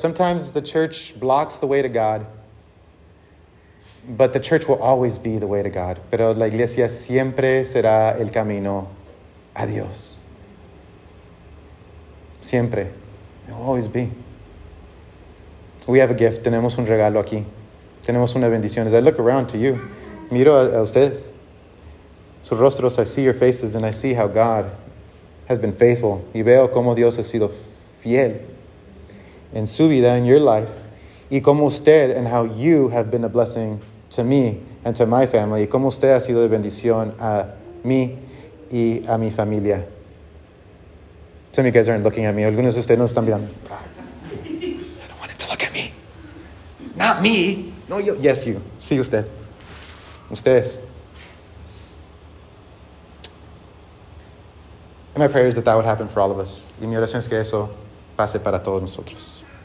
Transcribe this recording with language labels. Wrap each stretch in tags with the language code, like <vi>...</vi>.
<en>Sometimes the church blocks the way to God. But the church will always be the way to God.</en> <es>Pero la iglesia siempre será el camino a Dios. Siempre.</es> <en>It will always be. We have a gift.</en> <es>Tenemos un regalo aquí. Tenemos una bendición.</es> <en>As I look around to you,</en> <es>miro a ustedes. Sus rostros,</es> <en>I see your faces, and I see how God has been faithful.</en> <es>Y veo cómo Dios ha sido fiel en su vida, en your life. Y cómo usted,</es> <en>and how you have been a blessing to me and to my family.</en> <es>Como usted ha sido de bendición a mí y a mi familia.</es> <en>Some of you guys aren't looking at me.</en> <es>Algunos de ustedes no están mirando.</es> <en>I don't want him to look at me. Not me. No, you. Yes, you.</en> <es>Sí, usted. Ustedes.</es> <en>And my prayer is that would happen for all of us.</en> <es>Y mi oración es que eso pase para todos nosotros.</es>